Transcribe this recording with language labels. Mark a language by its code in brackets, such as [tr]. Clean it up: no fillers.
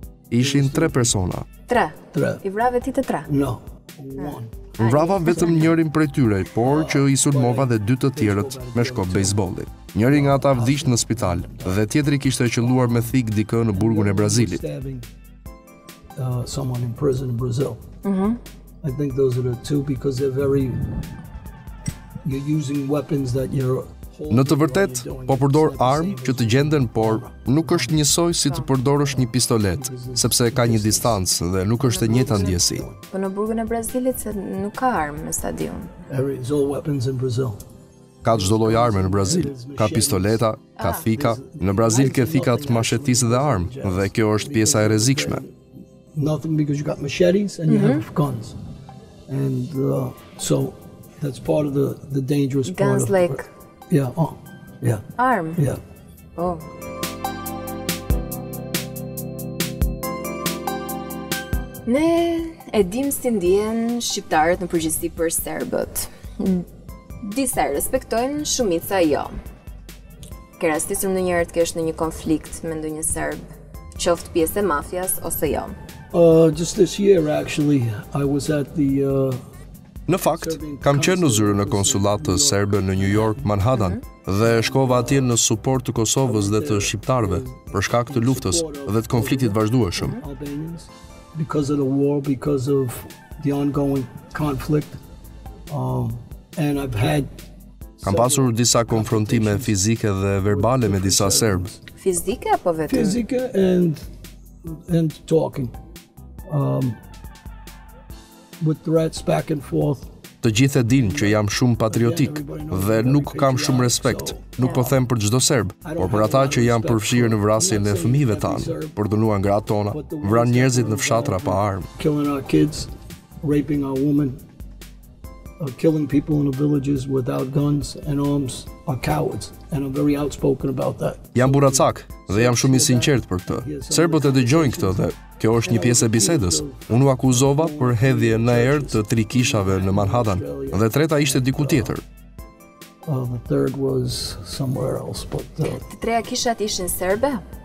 [sq] Ishin tre persona. Tre. Tre. I vrava ti të tre. [en] No. One. [sq] Vrava vetëm njërin prej tyre, por që i sulmova dhe dy të tjerët me shkop bejsbolli. Njëri nga ata vdiqt në spital dhe tjetri kishte qelluar me thik dikë në burgun e Brazilit. [en] Someone in prison in Brazil. I think those are the two because they're very you're using weapons that you're. [sq] Në të vërtet, po përdor armë që të gjenden, por nuk është njësoj si të përdorësh një pistolet, sepse ka një distancë dhe nuk është e njëjta ndjesi. Po në burgun e Brazilit se nuk ka armë në stadium. [en] There's all weapons in Brazil. [sq] Ka çdo lloj arme në Brazil, ka pistoleta, ka thika. Në Brazil ke thikat machetis dhe armë, dhe kjo është pjesa e rrezikshme. [en] Nothing because you got machetes and you have guns. And so that's part of the dangerous guns part. Guns like. Yeah. Oh. Yeah. [sq] Arm. [en] Yeah. Oh. [sq] Ne e dim si ndjehen shqiptarët në përgjithësi për serbët. Disa e respektojnë, shumica jo. Ke rastisur ndonjëherë të kesh në një konflikt me ndonjë serb, qoftë pjesë e mafias ose jo? [en] Just this year actually I was at the [sq] Në fakt, kam qenë në zyrën e konsulatës serbe në New York, Manhattan, dhe shkova atje në suport të Kosovës dhe të shqiptarëve për shkak të luftës dhe të konfliktit vazhdueshëm. [en] Because of the war, because of the ongoing conflict, and I've had. [sq] Kam pasur disa konfrontime fizike dhe verbale me disa serb. Fizike apo vetëm? Fizike [en] and talking. With threats back and forth. [sq] Të gjithë e dinë që jam shumë patriotik dhe nuk kam shumë respekt. Nuk po them për çdo serb, por për ata që janë përfshirë në vrasjen e fëmijëve tanë, për dënuar gratë tona, vranë njerëzit në fshatra pa armë. [en] Killing our kids, raping our women, killing people in the villages without guns and arms are cowards, and I'm very outspoken about that. [sq] Jam buracak dhe jam shumë i sinqert për këtë. Serbët e dëgjojnë këtë dhe kjo është një pjesë e bisedës. Unë u akuzova për hedhje në erë të tri kishave në Manhattan, dhe treta ishte diku tjetër. [en] The third was somewhere else, but [sq] të treja kishat ishin serbe?